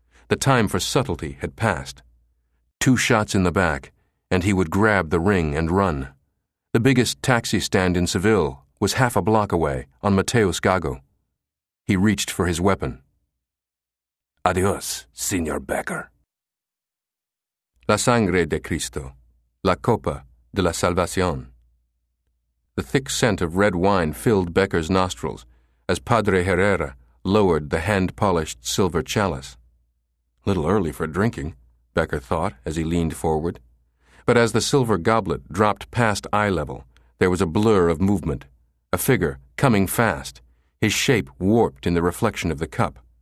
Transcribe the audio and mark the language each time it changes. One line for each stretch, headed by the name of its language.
English: The time for subtlety had passed. 2 shots in the back, and he would grab the ring and run. The biggest taxi stand in Seville was half a block away on Mateus Gago. He reached for his weapon.
Spanish: Adios, Señor Becker. La sangre de Cristo, la copa de la salvación.
English: The thick scent of red wine filled Becker's nostrils as Padre Herrera lowered the hand-polished silver chalice. Little early for drinking, Becker thought as he leaned forward. But as the silver goblet dropped past eye level, there was a blur of movement, a figure coming fast, his shape warped in the reflection of the cup.